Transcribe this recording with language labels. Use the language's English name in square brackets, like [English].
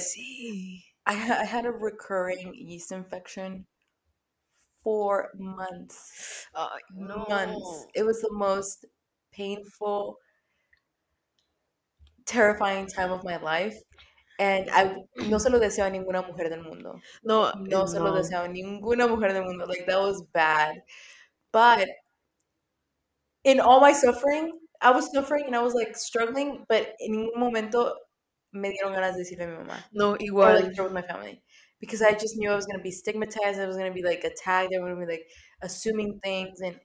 [English] See. I had a recurring yeast infection for months. No. Months. It was the most painful, terrifying time of my life. And I [Spanish] no se lo deseo a ninguna mujer del mundo. No. No se lo deseo a ninguna mujer del mundo. [English] Like, that was bad. But in all my suffering, I was suffering and I was like struggling, but in [Spanish] un momento me dieron ganas de decirle a mi mamá. No, igual. [English] Or like share with my family. Because I just knew I was going to be stigmatized. I was going to be like attacked. I was going to be like assuming things. And